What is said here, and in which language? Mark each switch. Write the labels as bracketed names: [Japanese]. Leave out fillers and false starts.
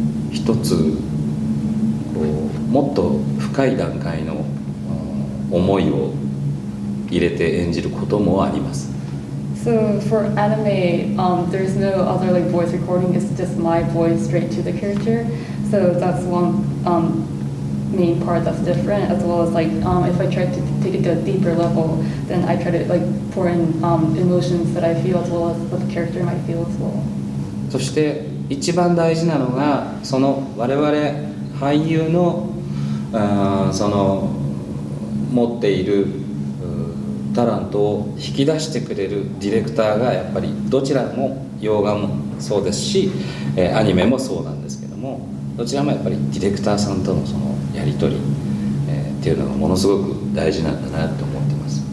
[Japanese] 一つこうもっと深い段階の思いを入れて演じることもあります。 [English] So for anime, there's no other like voice recording. It's just my voice straight to the character. So that's one main part that's different. As well as like, if I try to take it to a deeper level, then I try to like pour in emotions that I feel as well as what the character might feel as well. [Japanese] そして一番大事なのが、その我々俳優のその持っているタラントを引き出してくれるディレクターがやっぱり、どちらも洋画もそうですし、アニメもそうなんですけども、どちらもやっぱりディレクターさんとのそのやり取り、っていうのがものすごく大事なんだなと思ってます。